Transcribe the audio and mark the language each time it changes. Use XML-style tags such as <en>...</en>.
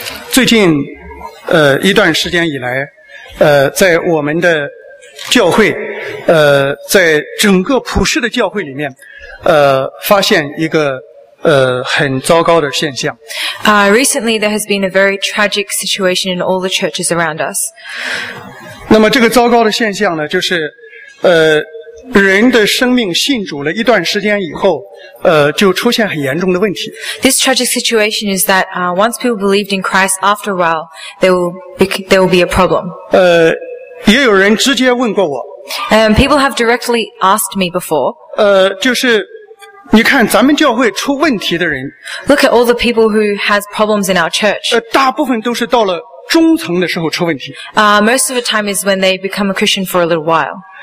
<zh>最近一段时间以来，在我们的教会，在整个普世的教会里面，发现一个很糟糕的现象。</zh> <en>Recently there has been a very tragic situation in all the churches around us.</en> <zh>那么这个糟糕的现象呢，就是人的生命信主了一段时间以后，就出现很严重的问题。</zh> <en>This tragic situation is that, once people believed in Christ, after a while, there will be a problem.</en> <zh>也有人直接问过我。</zh> <en>People have directly asked me before.</en> <zh>就是你看咱们教会出问题的人。</zh> <en>Look at all the people who has problems in our church.</en> <zh>大部分都是到了中层的时候出问题。</zh> <en>Most of the time is when they become a Christian for a little while.</en>